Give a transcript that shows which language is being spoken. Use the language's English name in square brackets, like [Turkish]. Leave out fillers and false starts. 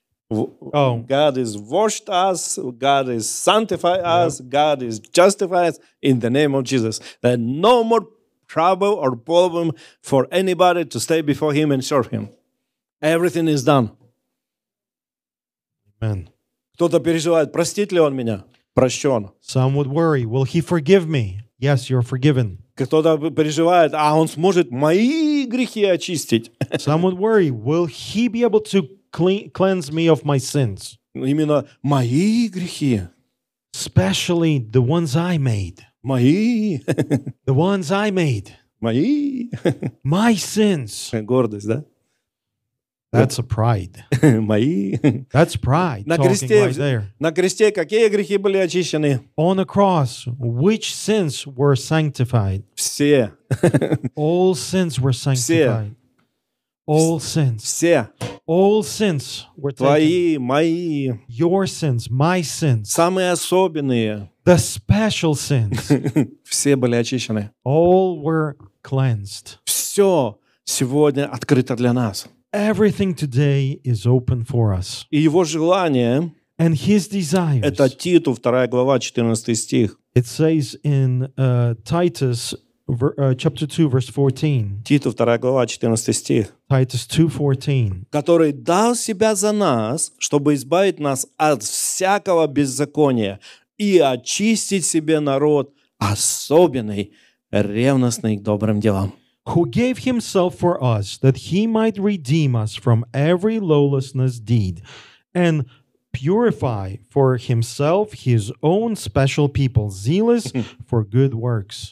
[English] God has washed us, God has sanctified us, God has justified us in the name of Jesus. That no more trouble or problem for anybody to stay before Him and serve Him. Everything is done. Amen. [Russian] Кто-то переживает, простит ли он меня? Прощен. [English] Some would worry, will He forgive me? Yes, you're forgiven. [Russian] Кто-то переживает, а он сможет мои грехи очистить? [English] Some would worry, will He be able to cleanse me of my sins. [Russian] Именно мои грехи. [English] Especially the ones I made. [Russian] Мои. [English] The ones I made. [Russian] Мои. [English] My sins. [Russian] Гордость, да? [English] That's a pride. [Russian] Мои. [English] That's pride. [Russian] На кресте, [English] right there. [Russian] На кресте какие грехи были очищены? [English] On the cross, which sins were sanctified? [Russian] Все. [English] All sins were sanctified. [Russian] Все. [English] All sins. [Russian] Все. [English] All sins were [Russian] твои, [English] taken. [Russian] Твои, мои. [English] Your sins, my sins. [Russian] Самые особенные. [English] The special sins. [Russian] Все были очищены. [English] All were cleansed. [Russian] Все сегодня открыто для нас. [English] Everything today is open for us. [Russian] И Его желание. [English] And His desires. [Russian] Это Титу, 2 глава, 14 стих. [English] It says in Titus chapter 2, verse 14. [Russian] Титу, 2 глава, 14 стих. [English] Titus 2:14. [Russian] Который дал себя за нас, чтобы избавить нас от всякого беззакония и очистить себе народ особенный, ревностный к добрым делам. [English] Who gave himself for us, that he might redeem us from every lawlessness deed, and purify for himself his own special people, zealous for good works.